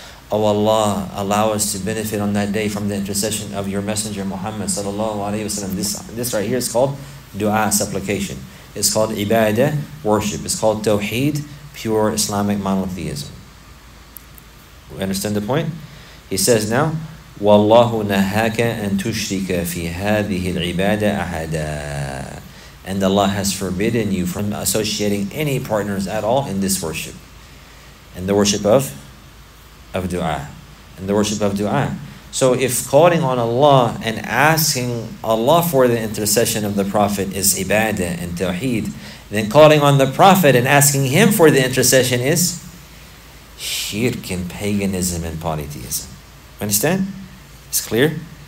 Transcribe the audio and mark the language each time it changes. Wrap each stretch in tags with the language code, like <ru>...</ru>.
<en>Oh Allah, allow us to benefit on that day from the intercession of Your Messenger Muhammad sallallahu alaihi wasallam. This right here is called dua, supplication. It's called ibadah, worship. It's called tawheed, pure Islamic monotheism. We understand the point? He says now,</en> <ar>وَاللَّهُ نَهَاكَ أَن تُشْرِكَ فِي هَذِهِ الْعِبَادَةِ أَحَدًا.</ar> <en>And Allah has forbidden you from associating any partners at all in this worship. And the worship of dua. And the worship of dua. So if calling on Allah and asking Allah for the intercession of the Prophet is ibadah and tawheed, then calling on the Prophet and asking him for the intercession is shirk and paganism and polytheism. Understand? It's clear?</en>